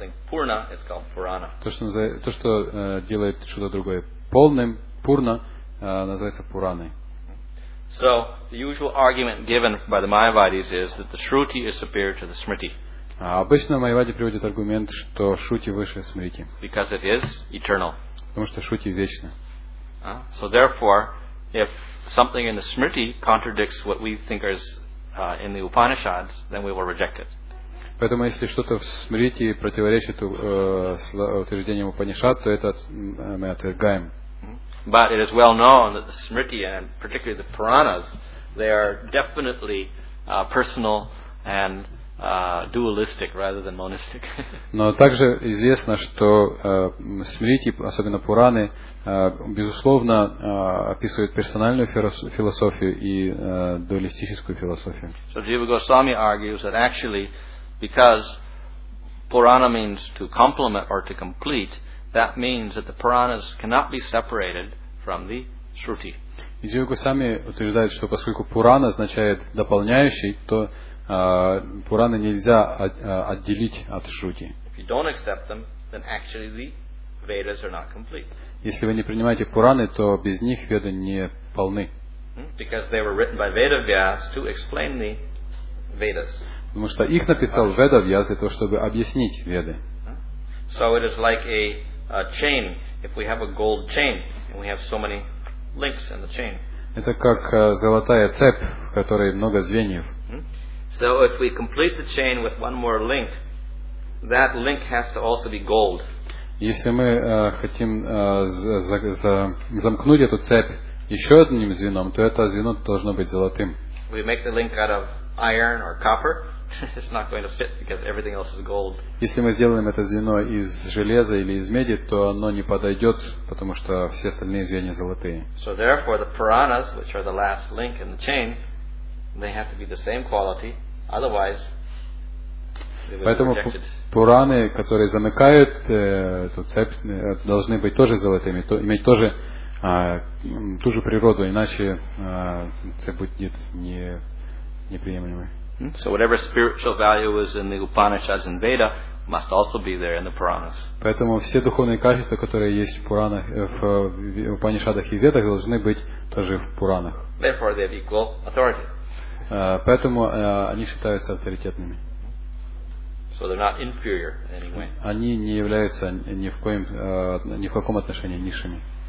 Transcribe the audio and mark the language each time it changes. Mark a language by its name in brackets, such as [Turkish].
[Russian] То, что делает что-то другое полным, Пурна, называется Пураной. [English] So, the usual argument given by the Mayavadis is that the Shruti is superior to the Smriti. [Russian] Обычно Майявади приводит аргумент, что Шрути выше Смрити. [English] Because it is eternal. [Russian] Потому что Шрути вечна. [English] So therefore, if something in the Smriti contradicts what we think is in the Upanishads, then we will reject it. [Russian] Поэтому если что-то в Смрити противоречит утверждениям Упанишад, то это мы отвергаем. [English] But it is well known that the Smriti and particularly the Puranas, they are definitely personal and dualistic rather than monistic. [Russian] Но также известно, что Смрити, особенно Пураны, безусловно, описывает персональную философию и дуалистическую философию. [English] So Jiva Goswami argues that actually, because Purana means to complement or to complete, that means that the Puranas cannot be separated from the Shruti. [Russian] И Джива Госвами утверждает, что поскольку Пурана означает дополняющий, то Пураны нельзя отделить от Шрути. [English] If you don't accept them, then actually the Vedas are not complete. [Russian] Если вы не принимаете Пураны, то без них Веды не полны. [English] Because they were written by Vedavyas to explain the Vedas. [Russian] Потому что их написал Ведавьяс для того, чтобы объяснить Веды. [English] So it is like a chain. If we have a gold chain and we have so many links in the chain. [Russian] Это как золотая цепь, в которой много звеньев. [English] So if we complete the chain with one more link, that link has to also be gold. [Russian] Если мы хотим замкнуть эту цепь еще одним звеном, то это звено должно быть золотым. [English] We make the link out of iron or copper. It's not going to fit because everything else is gold. [Russian] Если мы сделаем это звено из железа или из меди, то оно не подойдет, потому что все остальные звенья золотые. [English] So therefore, the Puranas, which are the last link in the chain, they have to be the same quality, otherwise they would be [Russian] Поэтому Пураны, которые замыкают эту цепь, должны быть тоже золотыми, иметь тоже ту же природу, иначе цепь будет неприемлемой. [English] So whatever spiritual value is in the Upanishads and Veda must also be there in the Puranas. [Russian] Поэтому все духовные качества, которые есть в Пуранах, в Упанишадах и Ведах, должны быть тоже в Пуранах. [English] Therefore, they have equal authority. [Russian] Поэтому они считаются авторитетными. [English] So they're not inferior in any way. [Russian] Они не являются ни в каком отношении низшими.